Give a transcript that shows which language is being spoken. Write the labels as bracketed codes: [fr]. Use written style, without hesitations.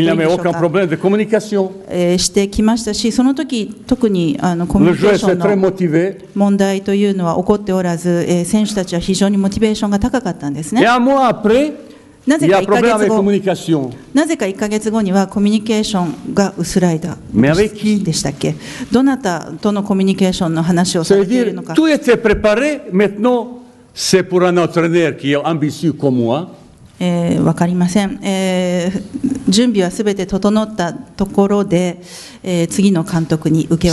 [ja] してきましたし、その時特にコミュニケーションの問題というのは起こっておらず、選手たちは非常にモチベーションが高かったんですね。なぜか1ヶ月後にはコミュニケーションが薄らいだでしたっけ。どなたとのコミュニケーションの話をされているのか。 [fr] Tu étais préparé, maintenant c'est pour un entraîneur qui est ambitieux comme moi. [ja] 分かりません、準備はすべて整ったところで、次の監督に受け